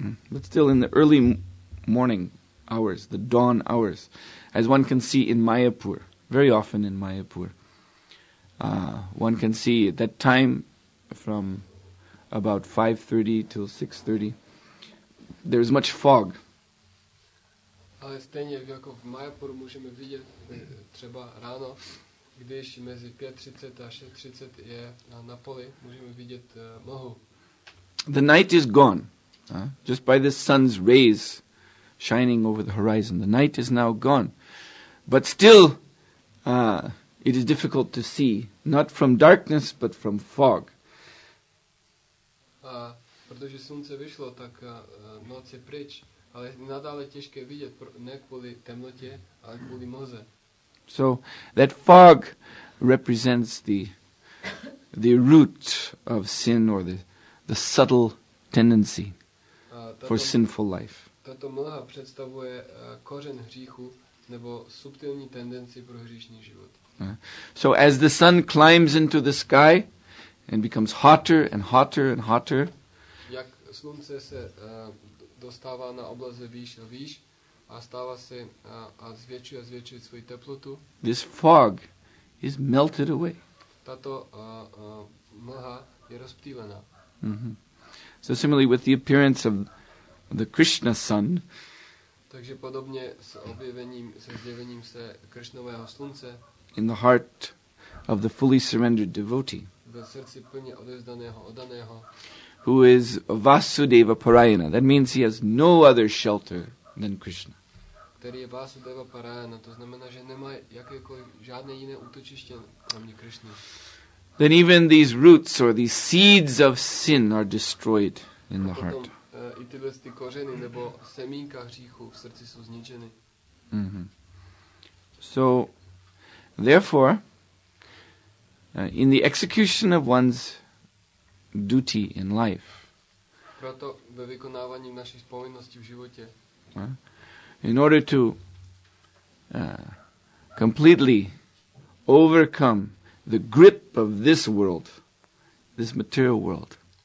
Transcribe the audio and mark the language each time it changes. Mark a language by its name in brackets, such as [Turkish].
[English] But still in the early morning hours, the dawn hours, as one can see in Mayapur, very often in Mayapur, one can see that time from about 5:30 till 6:30, there is much fog. [Czech] Ale stejně jako v Mayapur můžeme vidět třeba ráno, když mezi 5:30 a 6:30 je na poli, můžeme vidět mlhu. [English] The night is gone, just by the sun's rays shining over the horizon. The night is now gone. But still, it is difficult to see, not from darkness, but from fog. [Czech] Protože slunce vyšlo, tak noc je pryč, ale nadále těžké vidět, ne kvůli temnotě, ale kvůli mlze. [English] So that fog represents the root of sin, or the subtle tendency for sinful life. [Czech] Tato mlha představuje kořen hříchu nebo subtilní tendenci pro hříšný život. [English] So as the sun climbs into the sky and becomes hotter and hotter and hotter, [Czech] jak slunce se dostává na obloze výš a výš a stává se a zvětšuje svoji teplotu, [English] this fog is melted away. [Czech] Tato mlha je rozptýlená. Mm-hmm. [English] So similarly with the appearance of the Krishna sun. [Czech] Takže podobně s objevením, se zjevením se Krishnového slunce. [English] In the heart of the fully surrendered devotee. [Czech] Ve srdci plně odevzdaného, oddaného. [English] Who is Vasudeva Parayana. That means he has no other shelter than Krishna. [Czech] Který je Vasudeva Parayana. To znamená, že nemá jakékoliv žádné jiné útočiště kromě Krishna. [English] Then even these roots or these seeds of sin are destroyed in the heart. [Czech] I tyhle ty kořeny nebo semínka hříchu v srdci jsou zničeny. Mm-hmm. [English] So, therefore, in the execution of one's duty in life, [Czech] proto ve vykonávání našich povinností v životě, [English] in order to completely overcome the grip of this world, this material world,